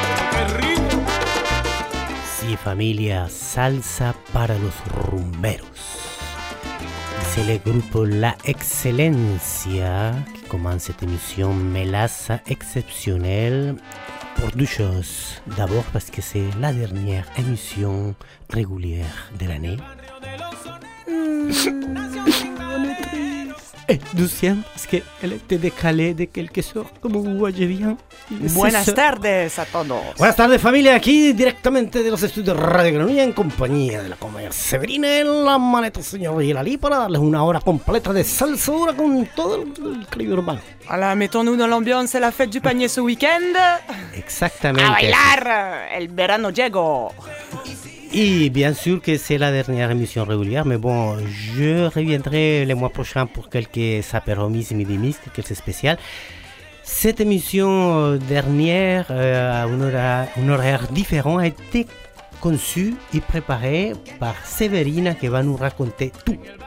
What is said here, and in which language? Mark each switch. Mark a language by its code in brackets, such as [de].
[es] ¡Qué rico! Sí, familia, salsa para los rumberos. Es el grupo La Excelencia, que comienza esta emisión Melaza Excepcional. Por dos cosas. [fr] D'abord, parce que c'est la dernière émission régulière de l'année. Et deuxième, parce qu'elle était décalée de quelques heures, comme vous voyez bien. [es] Buenas tardes a todos. Buenas tardes, familia, aquí directamente de los estudios de Radio Granulla en compañía de la comadre Severina en la maleta, señor Yelali, para darles una hora completa de salsa dura con todo el cariño urbano. [fr] Voilà, mettons-nous dans l'ambiance et la fête du panier ce week-end. Exactement. [es] A bailar, el verano llegó. [fr] Y bien sûr que c'est la dernière émission régulière, mais bon, je reviendrai le mois prochain pour quelques apéromis, midimis, quelques spéciales. Cette émission dernière, à un horaire différent, a été conçue et préparée par Severina qui va nous raconter tout.